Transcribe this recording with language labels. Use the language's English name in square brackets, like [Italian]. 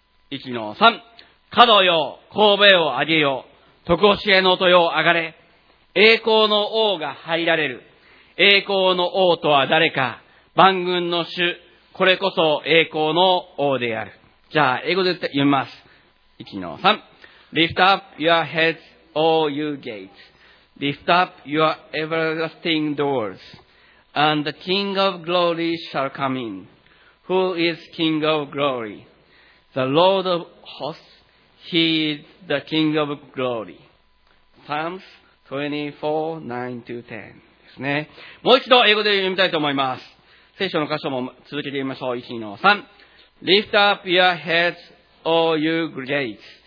[Japanese] 1、2、3。門よ、頭を上げよ、常しえの豊を上がれ。栄光の王が入られる。栄光の王とは誰か。万軍の主、これこそ栄光の王である。じゃあ、英語で読みます。 1、2、3。 [English] Lift up your heads, all you gates. Lift up your everlasting doors. And the King of glory shall come in. Who is King of glory? The Lord of hosts, he is the King of glory. [Japanese] Psalms 24:9-10 ですね。もう一度英語で読みたいと思います。聖書の箇所も続けてみましょう。 1、2、3。 [English] Lift up your heads, all you gates.